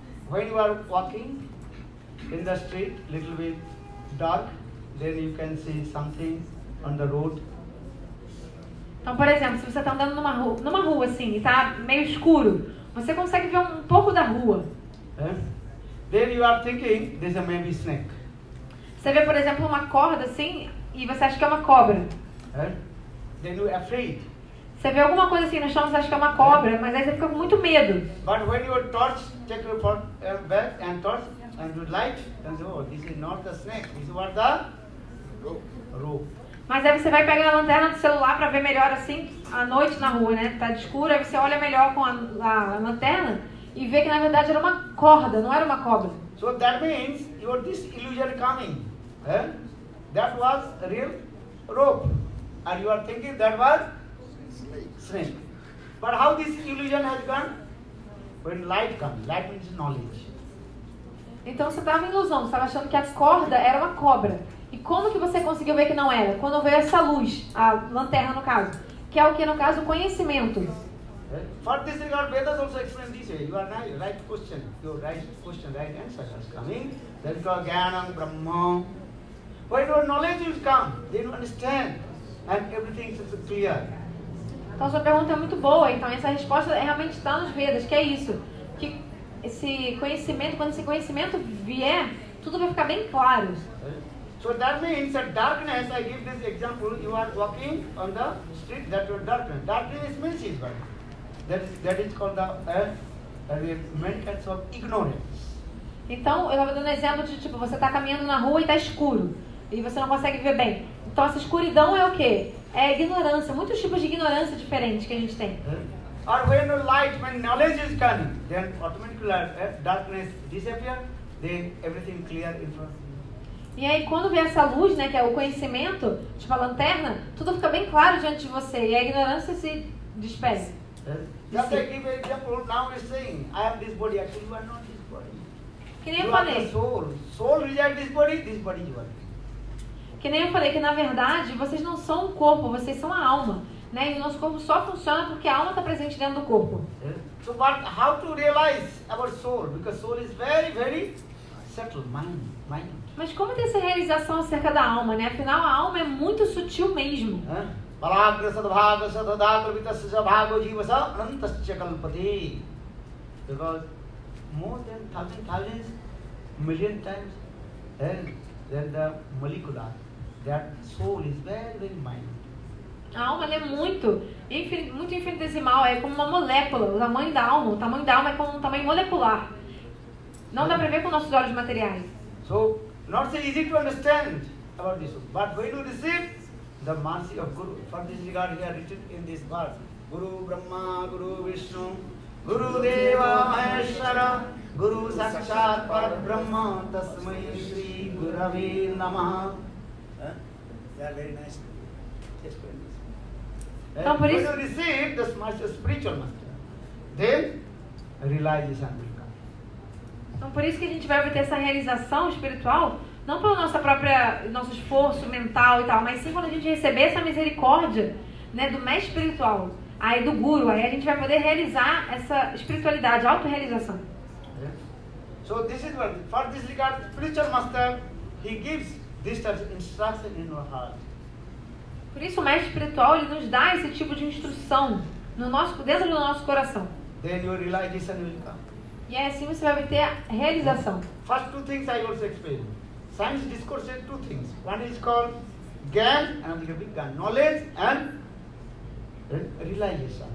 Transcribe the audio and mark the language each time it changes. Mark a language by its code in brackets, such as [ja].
[en] When you are walking in the street, little bit dark, then you can see something on the road. [pt] Então, por exemplo, se você está andando numa rua assim, e está meio escuro, você consegue ver um pouco da rua. [en] Then you are thinking this may be snake. [pt] Você vê, por exemplo, uma corda assim e você acha que é uma cobra. [en] then you're afraid. [pt] Você vê alguma coisa assim no chão, você acha que é uma cobra, mas aí você fica com muito medo. [en] But when you torch, take your pot, bag and torch and you light, then say, oh, this is not the snake, this is what the rope. [pt] Mas aí você vai pegar a lanterna do celular para ver melhor assim à noite na rua, né? Tá de escuro, aí você olha melhor com a lanterna e vê que na verdade era uma corda, não era uma cobra. [en] So that means your this illusion coming, eh? That was real rope, and you are thinking that was snake. But how this illusion has gone? When light comes, light means knowledge. [pt] Então você tava em ilusão, você tava achando que a corda era uma cobra. E como que você conseguiu ver que não era? Quando veio essa luz, a lanterna no caso, que é o que no caso o conhecimento. [en] For this regard, Vedas also explain this way. You are now right question. Your right question, right answer has come in. That is called Gyanam Brahma. When your knowledge has come, then you understand and everything is clear. [pt] Então sua pergunta é muito boa. Então essa resposta é realmente está nos Vedas, que é isso. Que esse conhecimento, quando esse conhecimento vier, tudo vai ficar bem claro. [en] So that means that darkness, I give this example, you are walking on the street, that your darkness. Darkness means is what? That is called the mental of ignorance. [pt] Então, eu estava dando um exemplo de tipo, você está caminhando na rua e está escuro. E você não consegue ver bem. Então essa escuridão é o quê? É ignorância, muitos tipos de ignorância diferentes que a gente tem. [en] Or when the light, when knowledge is coming, then automatically darkness disappear, then everything clear in front. [pt] E aí quando vem essa luz, né, que é o conhecimento, tipo a lanterna, tudo fica bem claro diante de você e a ignorância se dispersa. [en] Just give an example, now you're saying, I have this body, actually you are not this body. [pt] Que nem [en] you [pt] eu falei. [en] Are the soul. Soul reject this body you are. [pt] Que nem eu falei, que na verdade vocês não são o corpo, vocês são a alma. Né? E o nosso corpo só funciona porque a alma está presente dentro do corpo. [en] Yeah. So but how to realize our soul? Because soul is very, very subtle, mind. [pt] Mas como ter essa realização acerca da alma, né? Afinal, a alma é muito sutil mesmo. [en] Because more than thousands, million times, than the molecular, that soul is very, very minute. [pt] A alma é muito, muito infinitesimal, é como uma molécula, o tamanho da alma. O tamanho da alma é como um tamanho molecular. Não dá para ver com nossos olhos materiais. [en] So, not so easy to understand about this, but when you receive the mercy of Guru, for this regard here written in this verse, [sa] Guru Brahma, Guru Vishnu, Guru Deva Maheshwara, Guru Sakshat Parabrahma, Tasmai Shri Gurave Namaha. [en] They are very nice. Yes, please. [pt] Então, por isso... [en] When you receive the master, spiritual master, then realization will. [pt] Então, por isso que a gente vai obter essa realização espiritual, não pelo nosso próprio esforço mental e tal, mas sim quando a gente receber essa misericórdia, né, do mestre espiritual, aí do guru, aí a gente vai poder realizar essa espiritualidade, auto-realização. [en] Yes. So, this is what, for this regard, spiritual master, he gives this type of instruction in our heart. [pt] Por isso, o mestre espiritual, ele nos dá esse tipo de instrução no nosso, dentro do nosso coração. [en] Then your realization will come. [pt] E é assim você vai obter a realização. [en] First two things I also explained. Science discourses two things. One is called gyan, another is vigyan. Knowledge and realization.